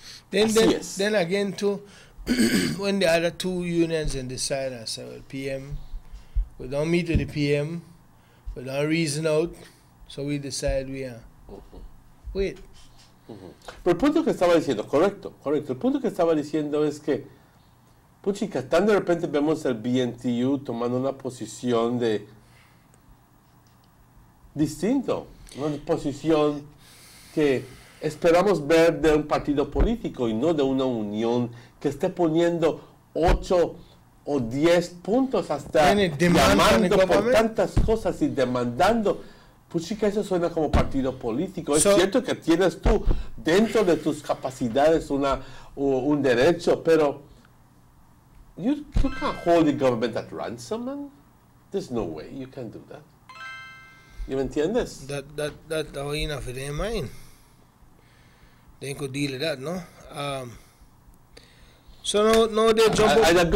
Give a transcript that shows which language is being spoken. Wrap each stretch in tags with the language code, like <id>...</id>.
<en>Then again, too, when the other two unions and decide, I say, well, PM, we don't meet with the PM, we don't reason out. So we decide we are. Uh-huh. Wait. Uh-huh.</en> <es>Pero el punto que estaba diciendo, correcto. El punto que estaba diciendo es que, puchica, tan de repente vemos al BNTU tomando una posición de distinto, una posición que esperamos ver de un partido político y no de una unión que esté poniendo 8 o 10 puntos hasta llamando por tantas cosas y demandando. Pues sí que eso suena como partido político. Es cierto que tienes tú dentro de tus capacidades un derecho, pero</es> <en>You can't hold the government at ransom, man. There's no way you can do that. You understand this? That was enough for their mind. They could deal with that, no? So now they jump</en>